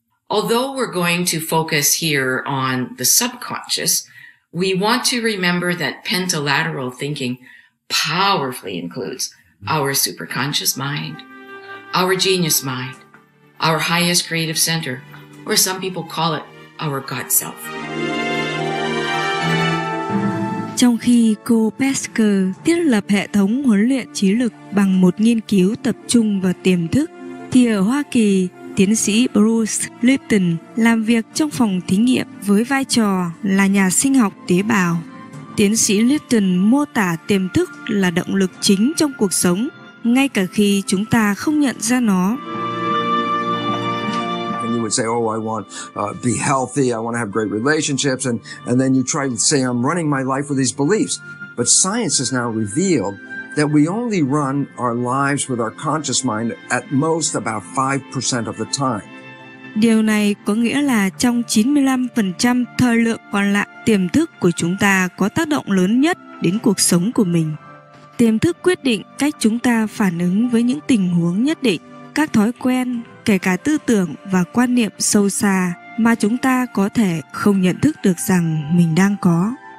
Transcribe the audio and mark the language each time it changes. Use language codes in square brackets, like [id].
[en] Although we're going to focus here on the subconscious, we want to remember that pentalateral thinking powerfully includes our superconscious mind, our genius mind, our highest creative center, or some people call it our God self. [vi] Trong khi cô Pesker thiết lập hệ thống huấn luyện trí lực bằng một nghiên cứu tập trung vào tiềm thức, thì ở Hoa Kỳ, tiến sĩ Bruce Lipton làm việc trong phòng thí nghiệm với vai trò là nhà sinh học tế bào. Tiến sĩ Lipton mô tả tiềm thức là động lực chính trong cuộc sống, ngay cả khi chúng ta không nhận ra nó. [en] Would say, oh, I want to be healthy, I want to have great relationships, and then you try to say, I'm running my life with these beliefs. But science has now revealed that we only run our lives with our conscious mind at most about 5% of the time. [vi] Điều này có nghĩa là trong 95% thời lượng còn lại, tiềm thức của chúng ta có tác động lớn nhất đến cuộc sống của mình. Tiềm thức quyết định cách chúng ta phản ứng với những tình huống nhất định, các thói quen, kể cả tư tưởng và quan niệm sâu xa mà chúng ta có thể không nhận thức được rằng mình đang có.